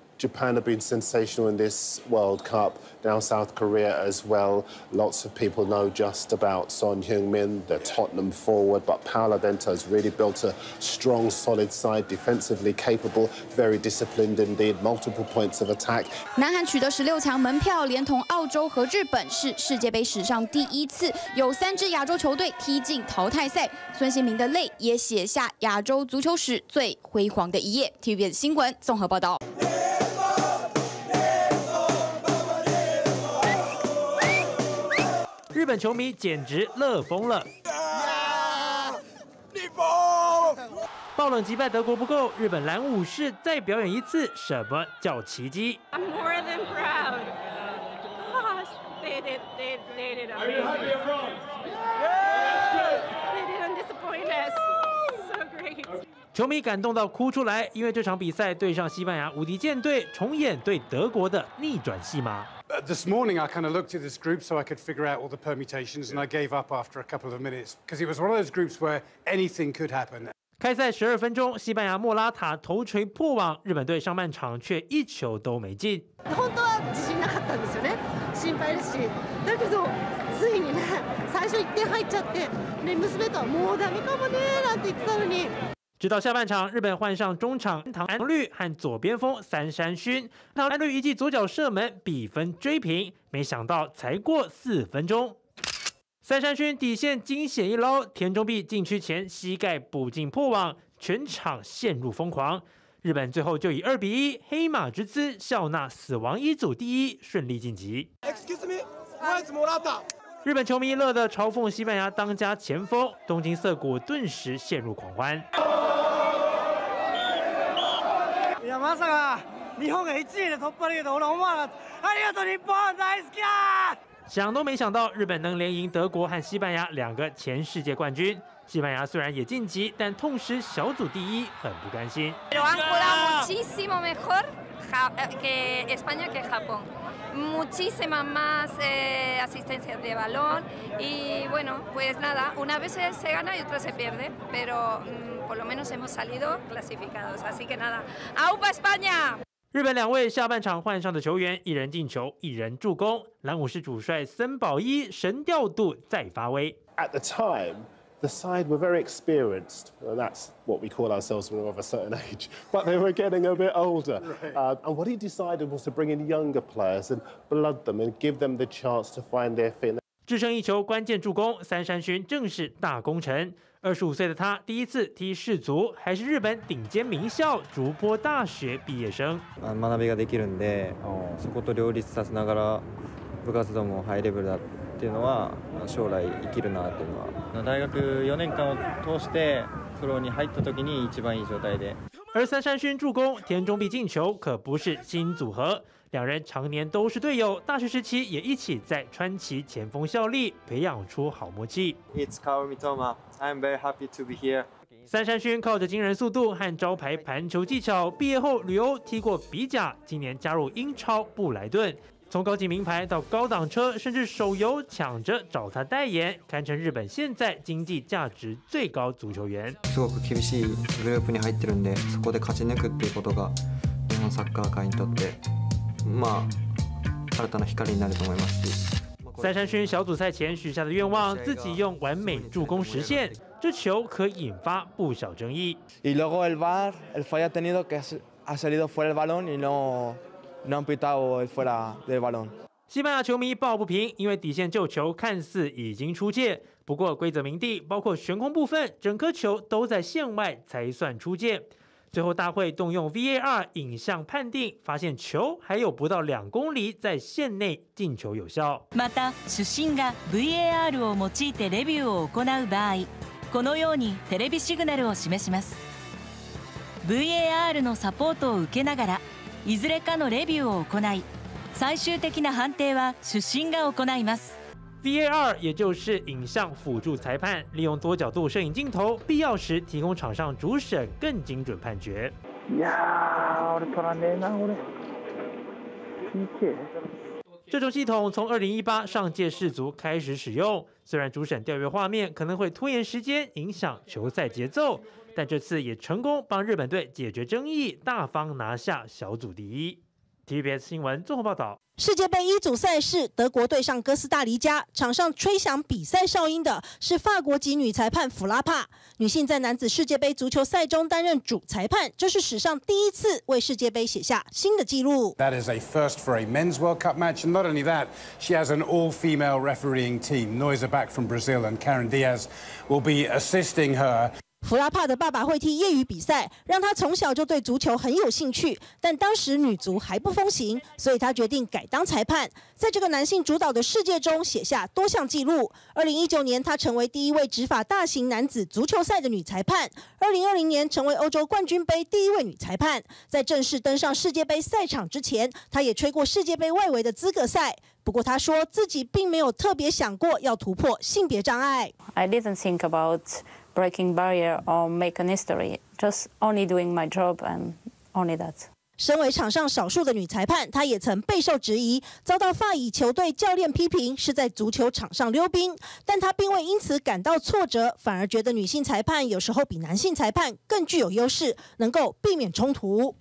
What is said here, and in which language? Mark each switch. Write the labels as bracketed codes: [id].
[en] Japan have been sensational in this World Cup. Now South Korea as well. Lots of people know just about Son Heung-min, the Tottenham forward. But Paolo Bento has really built a strong, solid side. Defensively capable, very disciplined indeed. Multiple points of attack. [zh] 南韩取得16强门票，连同澳洲和日本，是世界杯史上第一次有三支亚洲球队踢进淘汰赛。孙兴民的泪也写下亚洲足球史最辉煌的一页。 TVBS 新闻综合报道。日本球迷简直乐疯了！逆风！爆冷击败德国不够，日本蓝武士再表演一次，什么叫奇迹 [en] ？I'm more than proud. Gosh, they did it. Are you happy you're wrong? Yeah. They didn't disappoint us. So great. [zh] 球迷感动到哭出来，因为这场比赛对上西班牙无敌舰队，重演对德国的逆转戏码。 [en] This morning, I kind of looked at this group so I could figure out all the permutations, and I gave up after a couple of minutes because it was one of those groups where anything could happen. [zh] 开赛12分钟，西班牙莫拉塔头锤破网，日本队上半场却一球都没进。 [ja] 本当は自信なかったんですよね。心配ですし、だけどついにね、最初1点入っちゃって、ね、娘とはもうダメかもねなんて言ってたのに。 [zh] 直到下半场，日本换上中场唐安绿和左边锋三山勋，唐安绿一记左脚射门，比分追平。没想到才过四分钟，三山勋底线惊险一捞，田中碧禁区前膝盖补进破网，全场陷入疯狂。日本最后就以2-1黑马之姿笑纳死亡一组第一，顺利晋级。 [en] Excuse me, where's Morata? [zh] 日本球迷乐得嘲讽西班牙当家前锋，东京涩谷顿时陷入狂欢。 [ja] いやまさか日本が1位で突破できると俺思わなかった。ありがとう日本、大好きだ。 [zh] 想都没想到，日本能连赢德国和西班牙两个前世界冠军。西班牙虽然也晋级，但痛失小组第一，很不甘心。 [es] Lo han jugado muchísimo mejor que España que Japón. Muchísima más asistencia de balón y bueno, pues nada, una vez se gana y otra se pierde, pero por lo menos hemos salido clasificados, así que nada, ¡Aupa España! [zh] 日本两位下半场换上的球员，一人进球，一人助攻，蓝武士主帅森保一神调度再发威。 [en] At the time. The side were very experienced. Well, that's what we call ourselves when we're of a certain age. But they were getting a bit older. Right. And what he decided was to bring in younger players and blood them and give them the chance to find their feet. [zh] 只剩一球关键助攻，三山勋正式大功臣。 25岁的他第一次踢世足，还是日本顶尖名校筑波大学毕业生。 [ja] 学びができるんで、そこと両立させながら部活動もハイレベルだっていうのは将来生きるなっていうのは。大学4年間を通してプロに入った時に一番いい状態で。 [zh] 而三山勋助攻、田中碧进球可不是新组合。两人常年都是队友，大学时期也一起在川崎前锋效力，培养出好默契。 [en] It's Kaoru Mitoma. I'm very happy to be here. [zh] 三山勋靠着惊人速度和招牌盘球技巧，毕业后旅欧踢过比甲，今年加入英超布莱顿。从高级名牌到高档车，甚至手游抢着找他代言，堪称日本现在经济价值最高足球员。 [ja] すごく厳しいグループに入ってるんで、そこで勝ち抜くっていうことが日本サッカー界にとって。新たな光になると思いますし。 [zh] 三山勋小组赛前许下的愿望，自己用完美助攻实现，这球可引发不小争议。 [es] Y luego el VAR, el fallo ha tenido que ha salido fuera el balón y no han pitado el fuera del balón。 [zh] 西班牙球迷抱不平，因为底线救球看似已经出界，不过规则明定，包括悬空部分，整颗球都在线外才算出界。最后大会动用 VAR 影像判定，发现球还有不到两公里在线内进球有效。 [ja] また主審が VAR を用いてレビューを行う場合、このようにテレビシグナルを示します。 VAR のサポートを受けながらいずれかのレビューを行い、最終的な判定は主審が行います。 [zh] VAR 也就是影像辅助裁判，利用多角度摄影镜头，必要时提供场上主审更精准判决。呀，我的天哪，我的 PK！这种系统从2018上届世足开始使用，虽然主审调阅画面可能会拖延时间，影响球赛节奏，但这次也成功帮日本队解决争议，大方拿下小组第一。 TVBS 新闻综合报道。世界杯一组赛事，德国对上哥斯达黎加，场上吹响比赛哨音的是法国籍女裁判弗拉帕。女性在男子世界杯足球赛中担任主裁判，这是史上第一次，为世界杯写下新的纪录。 [en] That is a first for a men's World Cup match, and not only that, she has an all-female refereeing team. Noisa back from Brazil, and Karen Diaz will be assisting her. [zh] 弗拉帕的爸爸会踢业余比赛，让他从小就对足球很有兴趣，但当时女足还不风行，所以他决定改当裁判，在这个男性主导的世界中写下多项纪录。 2019年，他成为第一位执法大型男子足球赛的女裁判；2020年，成为欧洲冠军杯第一位女裁判。在正式登上世界杯赛场之前，他也吹过世界杯外围的资格赛。不过他说自己并没有特别想过要突破性别障碍。 [en] I didn't think aboutbreaking barrier or make an history, just only doing my job and only that. [zh] 身为场上少数的女裁判，她也曾备受质疑，遭到法乙球队教练批评是在足球场上溜冰，但她并未因此感到挫折，反而觉得女性裁判有时候比男性裁判更具有优势，能够避免冲突。